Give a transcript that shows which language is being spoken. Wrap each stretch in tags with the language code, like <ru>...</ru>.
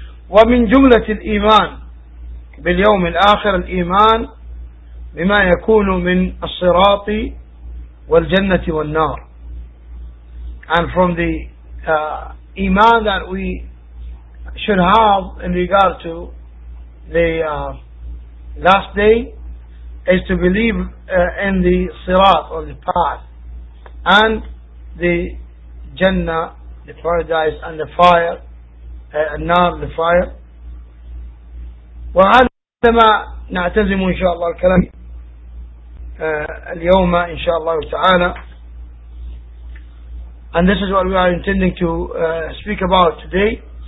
<ar>ومن جملة الإيمان باليوم الآخر الإيمان بما يكون من الصراط والجنة والنار.</ar> <en>And from the إيمان that we should have in regard to the last day is to believe in the صراط or the path and the جنة, the paradise, and the fire.</en> <ar>النار لفاير. وهذا ما نعتزم إن شاء الله الكلام اليوم إن شاء الله تعالى.</ar> <en>And this is what we are intending to speak about today.</en>